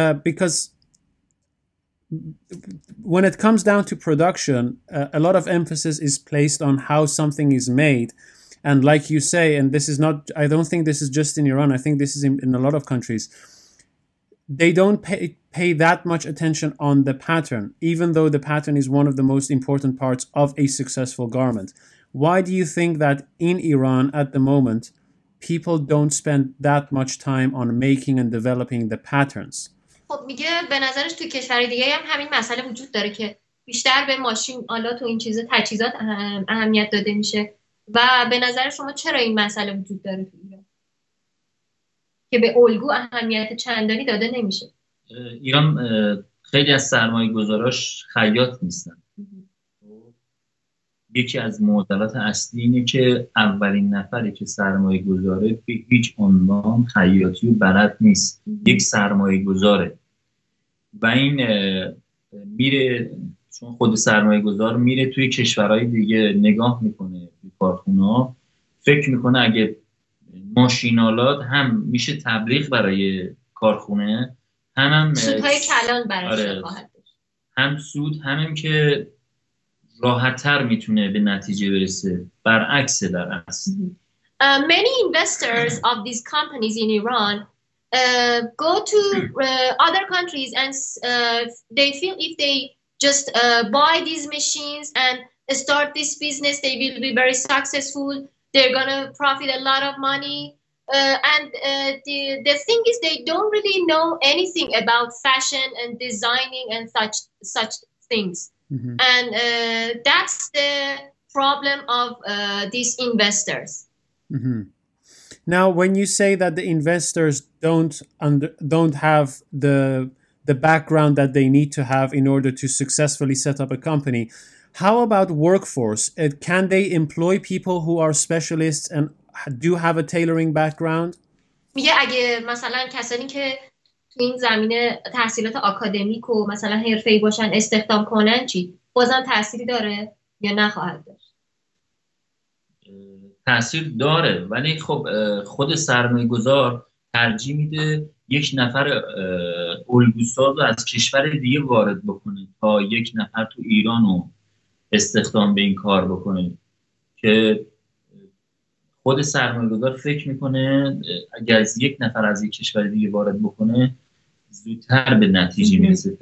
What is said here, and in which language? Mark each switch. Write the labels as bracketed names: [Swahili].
[English] Because when it comes down to production, a lot of emphasis is placed on how something is made, and like you say, and this is not, I don't think this is just in Iran, I think this is in a lot of countries, they don't pay that much attention on the pattern, even though the pattern is one of the most important parts of a successful garment. Why do you think that in Iran at the moment, people don't spend that much time on making and developing the patterns? [Persian] خب میگه به نظرش تو کشور دیگه هم همین مسئله وجود داره که بیشتر به ماشین آلات و این چیزا تجهیزات اهمیت داده میشه. و به نظر شما چرا این مسئله وجود داره تو ایران که به الگو اهمیت چندانی داده نمیشه؟ ایران خیلی از سرمایه گذاراش خیاط نیستن. یکی از معضلات اصلی اینه که اولین نفری که سرمایه گذاره به هیچ عنوان خیاطی و بلد نیست. یک سرمایه گذاره و این میره، چون خود سرمایه گذار میره توی کشورهای دیگه نگاه میکنه به کارخونه، فکر میکنه اگه ماشینالات هم میشه تبلیغ برای کارخونه، هم سودهای کلان برش آره. هم سود، همین که راحت‌تر میتونه به نتیجه برسه، برعکس در اصل. [English] Many investors of these companies in Iran go to other countries and they feel if they just buy these machines and start this business, they will be very successful. They're gonna profit a lot of money. And the thing is, they don't really know anything about fashion and designing and such things. And that's the problem of these investors. Now, when you say that the investors don't have the background that they need to have in order to successfully set up a company, how about workforce? Can they employ people who are specialists and do have a tailoring background? [Persian] میگه اگه مثلا کسانی که تو این زمینه تحصیلات آکادمیک و مثلا حرفه‌ای باشن استخدام کنن چی؟ بازم تأثیری داره یا نخواهد داشت؟ تأثیر داره، ولی خب خود سرمایه‌گذار ترجیح میده یک نفر الگوساز رو از کشور دیگه وارد بکنه تا یک نفر تو ایران رو استخدام به این کار بکنه، که خود سرمایه‌گذار فکر میکنه اگر از یک نفر از یک کشور دیگه وارد بکنه زودتر به نتیجه میرسه.